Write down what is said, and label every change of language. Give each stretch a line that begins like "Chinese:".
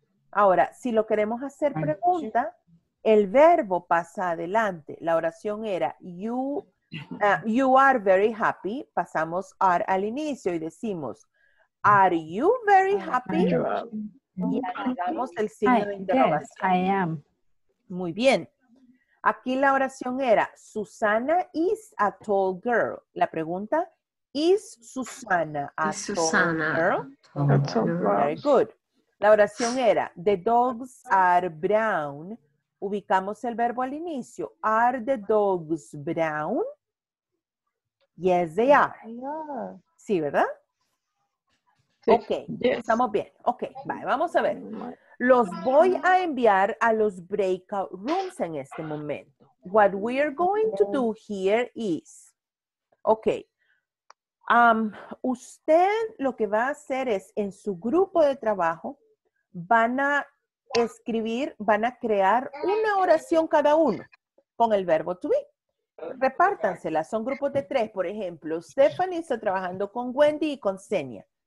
Spanish: Ahora, si lo queremos hacer pregunta, el verbo pasa adelante. La oración era
English: you are very happy.
Spanish: Pasamos are al inicio y decimos
English: are you very happy?
Spanish: Y agregamos el signo de interrogación.
English: Yes, I am.
Spanish: Muy bien. Aquí la oración era
English: Susana is a tall girl.
Spanish: La pregunta
English: is Susana a Susana tall girl? Tall. Very good.
Spanish: La oración era
English: the dogs are brown.
Spanish: Ubicamos el verbo al inicio.
English: Are the dogs brown? Yes, they are.
Spanish: Sí, ¿verdad? Sí. Ok, yes. Estamos bien. Ok, vale, vamos a ver. Los voy a enviar a los breakout rooms en este momento.
English: What we are going to do here is... Ok.
Spanish: Usted lo que va a hacer es, en su grupo de trabajo, van a... escribir, van a crear una oración cada uno con el verbo to be. Repártansela, son grupos de tres. Por ejemplo, Stephanie está trabajando con Wendy y con Xenia.